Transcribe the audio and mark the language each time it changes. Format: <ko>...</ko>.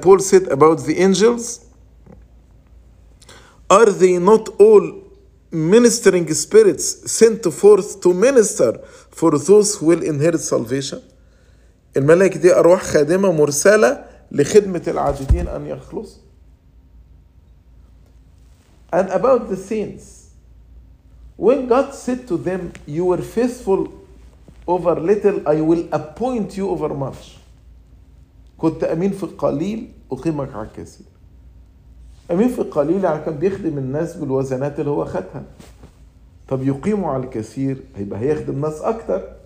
<en>Paul said about the angels, are they not all ministering spirits sent forth to minister for those who will inherit salvation?</en> <ar>الملائكة دي أرواح خادمة مرسلة لخدمة العاجزين أن يخلص.</ar> <en>And about the saints, when God said to them, you were faithful over little, I will appoint you over much.</en> <ar>كنت أمين في القليل أقيمك على الكثير. أمين في القليل يعني كان بيخدم الناس بالوزنات اللي هو خدها. طب يقيمه على الكثير هيبقى هيخدم الناس أكتر.</ar>